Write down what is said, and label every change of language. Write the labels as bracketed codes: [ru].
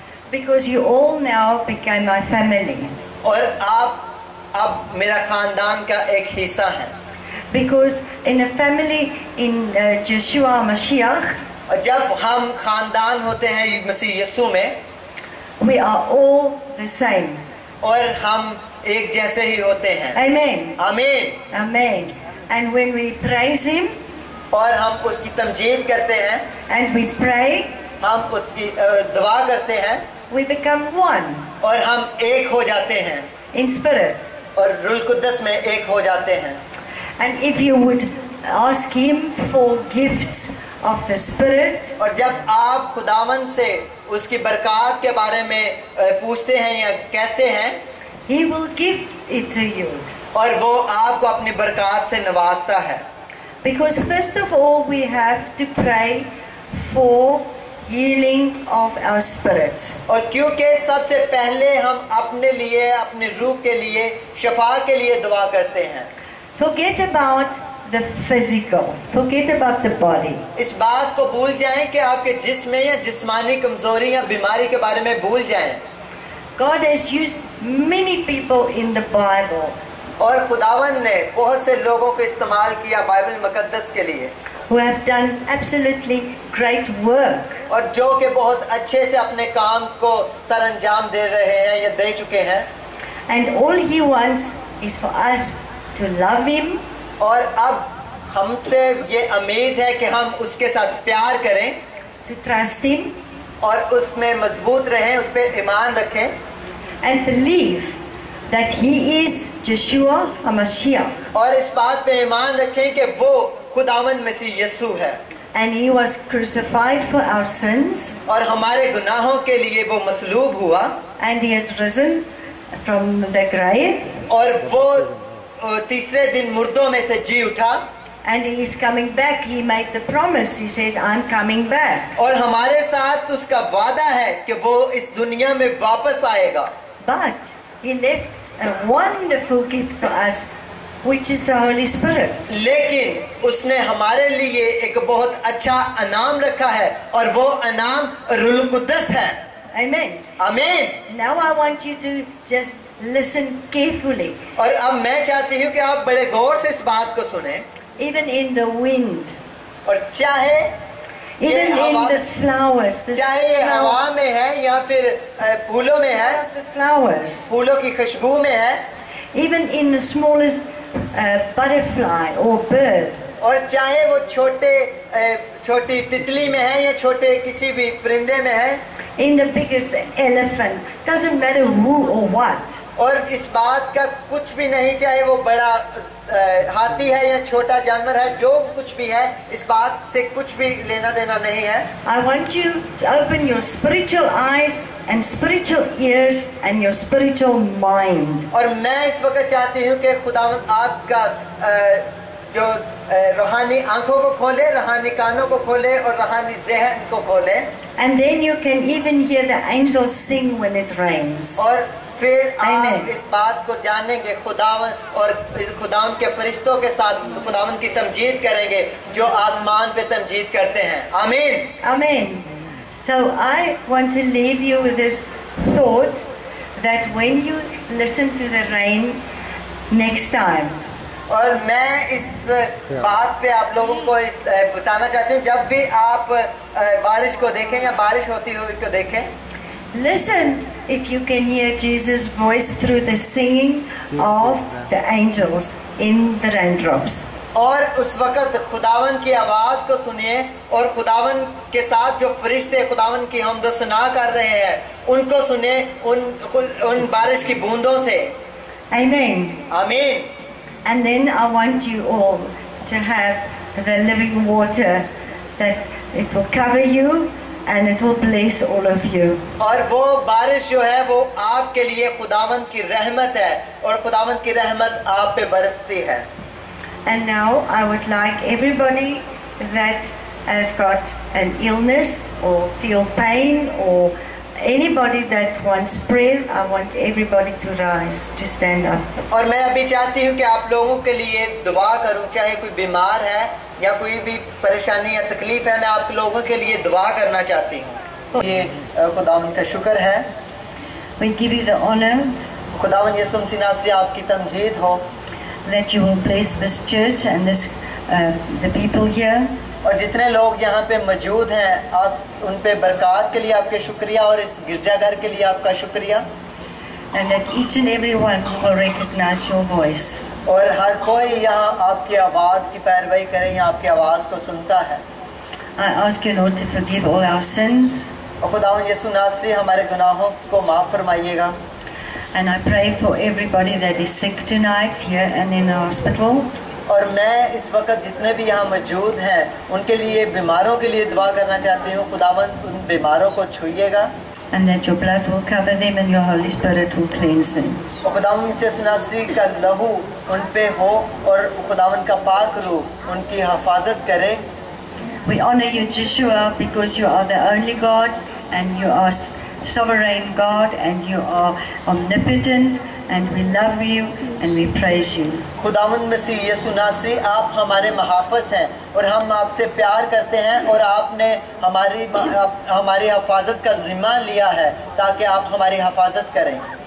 [en] Because you all now became my family. [hi] और आप अब मेरा खानदान का एक हिस्सा हैं. [en] Because in a family in Yeshua Mashiach. [hi] और जब हम खानदान होते हैं मसीह यीशु में. [en] We are all the same. [hi] और हम एक जैसे ही होते हैं. [en] Amen. Amen. Amen. And when we praise him, [hi] और हम उसकी तमजीद करते हैं. [en] And we pray, [hi] हम उसकी दुआ करते हैं. [en] We become one, [hi] और हम एक हो जाते हैं. [en] In spirit, [hi] और रूह कुदस में एक हो जाते हैं. [en] And if you would ask him for gifts of the spirit, [hi] और जब आप खुदावन से उसकी बरकत के बारे में पूछते हैं या कहते हैं, [en] he will give it to you, [hi] और वो आपको अपनी बरकत से नवाजता है. [en] Because first of all we have to pray for healing of our spirits. [hi] और क्योंकि सबसे पहले हम अपने लिए, अपने रूह के लिए, शफा के लिए दुआ करते हैं. [en] Forget about the physical. Forget about the body. [hi] इस बात को भूल जाएं कि आपके जिस्म या जिस्मानी कमजोरी या बीमारी के बारे में भूल जाएं. [en] God has used many people in the Bible. [hi] और खुदावन ने बहुत से लोगों को इस्तेमाल किया बाइबल मुकद्दस के लिए. [en] Who have done absolutely great work. [hi] और जो के बहुत अच्छे से अपने काम को सरंजाम दे रहे हैं या दे चुके हैं. [en] And all he wants is for us to love him. [hi] और अब हमसे ये उम्मीद है कि हम उसके साथ प्यार करें. [en] To trust him. [hi] और उसमें मजबूत रहें, उस पे ईमान रखें. [en] And believe that he is Yeshua HaMashiach. [hi] और इस बात पे ईमान रखें कि वो खुदावन मसीह यीशु है. [en] And he was crucified for our sins. [hi] और हमारे गुनाहों के लिए वो मसलूब हुआ. [en] And he has risen from the grave. [hi] और वो तीसरे दिन मुर्दों में से जी उठा. [en] And he is coming back. He made the promise. He says, "I'm coming back." [hi] और हमारे साथ उसका वादा है कि वो इस दुनिया में वापस आएगा. [en] But he left a wonderful gift for us, which is the Holy Spirit. [hi] लेकिन उसने हमारे लिए एक बहुत अच्छा अनाम रखा है, और वो अनाम रूह कुदस है. [en] Amen. Amen. Now I want you to just listen carefully. [hi] और अब मैं चाहती हूँ कि आप बड़े गौर से इस बात को सुनें. [en] Even in the wind. [hi] और चाहे [en] even in the flowers. [hi] चाहे हवा में है या फिर फूलों में है. [en] Flowers. [hi] फूलों की खुशबू में है. [en] Even in the smallest butterfly or bird. [hi] और चाहे वो छोटे छोटी तितली में है या छोटे किसी भी परिंदे में है. [en] In the biggest elephant. Doesn't matter who or what. [hi] और इस बात का कुछ भी नहीं, चाहे वो बड़ा हाथी है या छोटा जानवर है, जो कुछ भी है, इस बात से कुछ भी लेना देना नहीं है. [en] I want you to open your spiritual eyes and spiritual ears and your spiritual mind. [hi] और मैं इस वक्त चाहती हूँ कि खुदावंद आपका जो रूहानी आंखों को खोले, रूहानी कानों को खोले और रूहानी ज़हन को खोले. [en] And then you can even hear the angels sing when it rains. [hi] और फिर आप इस बात को जानेंगे, खुदावन और खुदावन के फरिश्तों के साथ खुदावन की तमजीद करेंगे जो आसमान पे तमजीद करते हैं. आमीन. आमीन. [en] So I want to leave you with this thought that when you listen to the rain next time. [hi] और मैं इस बात पे आप लोगों को बताना चाहती हूँ, जब भी आप बारिश को देखें या बारिश होती हुई को देखें, [en] listen if you can hear Jesus' voice through the singing of the angels in the raindrops. [hi] और उस वक्त खुदावन की आवाज को सुनिए, और खुदावन के साथ जो फरिश्ते खुदावन की हम्द सुना कर रहे हैं उनको सुनिए, उन बारिश की बूंदों से. [en] Amen. Amen. And then I want you all to have the living water that it will cover you and it will bless all of you. [hi] और वो बारिश जो है वो आपके लिए खुदावंद की रहमत है, और खुदावंद की रहमत आप पे बरसती है. [en] And now I would like everybody that has got an illness or feel pain or anybody that wants prayer, I want everybody to rise, to stand up. [hi] और मैं अभी चाहती हूँ कि आप लोगों के लिए दुआ करूँ, चाहे कोई बीमार है या कोई भी परेशानी या तकलीफ है, मैं आप लोगों के लिए दुआ करना चाहती हूँ. ये खुदावन का शुक्र है. [en] We give you the honor. [hi] खुदावन यीशु मसीह नासरी, आपकी तमजीद हो. [en] That you will bless this church and this the people here. [hi] और जितने लोग यहाँ पे मौजूद हैं, आप उन पे बरकत के लिए आपके शुक्रिया, और इस गिरजाघर के लिए आपका शुक्रिया. [en] and that each and every one will recognize your voice. [hi] और हर कोई यहाँ आपकी आवाज की पैरवी करे या आपकी आवाज को सुनता है. [en] I ask you Lord to forgive all our sins. [hi] खुदावन यीशु नासरी हमारे गुनाहों को माफ फरमाइएगा. [en] And I pray for everybody that is sick tonight here and in the hospital. [hi] और मैं इस वक्त जितने भी यहाँ मौजूद हैं उनके लिए बीमारों के लिए दुआ करना चाहती हूँ. खुदावन उन बीमारों को छुइएगा. [en] And that your blood will cover them and your Holy Spirit will cleanse them. [hi] खुदावन यीशु नासरी का लहू उन पे हो और खुदावन का पाक रूह उनकी हिफाजत करे. [en] We honor you, Yeshua, because you are the only God and you are sovereign God and you are omnipotent and we love you and we praise you. [hi] खुदावन मसीह यीशु नासरी आप हमारे महाफ़िज़ हैं और हम आपसे प्यार करते हैं और आपने हमारी हिफाजत का जिम्मा लिया है ताकि आप हमारी हिफाजत करें.